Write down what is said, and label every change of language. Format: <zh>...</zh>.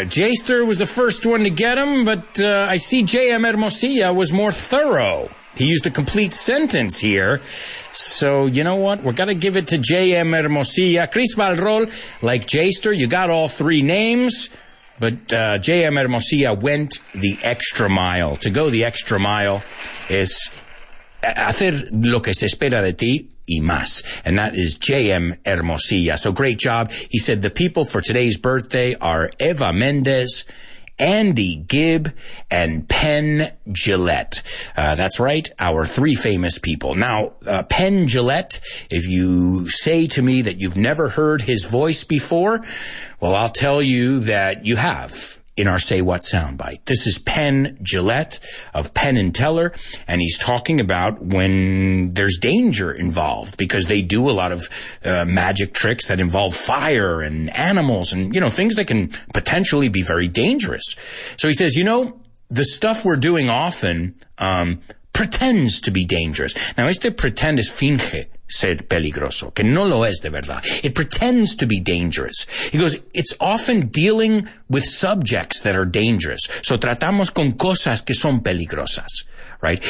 <en>Jester was the first one to get him, but I see J.M. Hermosilla was more thorough. He used a complete sentence here. So, you know what? We're going to give it to J.M. Hermosilla. Chris Valrol, like Jester, you got all three names. But J.M. Hermosilla went the extra mile. To go the extra mile is</en> <es>hacer lo que se espera de ti y más.</es> <en>And that is J.M. Hermosilla. So, great job. He said the people for today's birthday are Eva Mendez, Andy Gibb, and Penn Jillette. That's right, our three famous people. Now, Penn Jillette, if you say to me that you've never heard his voice before, well, I'll tell you that you have in our Say What soundbite. This is Penn Jillette of Penn and Teller, and he's talking about when there's danger involved, because they do a lot of magic tricks that involve fire and animals and, you know, things that can potentially be very dangerous. So he says, you know, the stuff we're doing often pretends to be dangerous.</en> <es>Now, este pretend es finge ser peligroso, que no lo es de verdad.</es> <en>It pretends to be dangerous. He goes, it's often dealing with subjects that are dangerous.</en> <es>So tratamos con cosas que son peligrosas, right?</es>